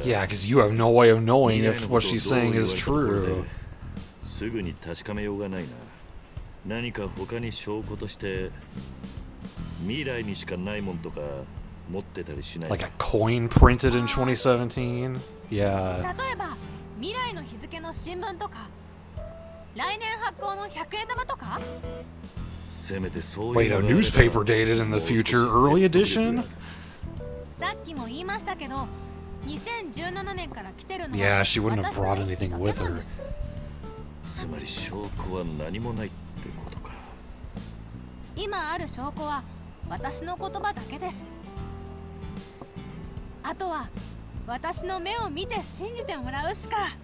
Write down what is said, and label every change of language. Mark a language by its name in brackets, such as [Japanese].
[English] Yeah, because you have no way of knowing if what she's saying is true. [Japanese] すぐに確かめようがないな。何か他に証拠として未来にしかないもんとか持ってたりしない。 [English] Like a coin printed in 2017? Yeah. [Japanese] 例えば未来の日付の新聞とか来年発行の100円玉とか。せめてそういう。 [English] Wait, a newspaper dated in the future, early edition? [Japanese] さっきも言いましたけど、2017年から来てるのは。 [English] Yeah, she wouldn't have brought anything with her. [Japanese] つまり証拠は何もない。ってことか。今ある証拠は私の言葉だけです。あとは私の目を見て信じてもらうしか。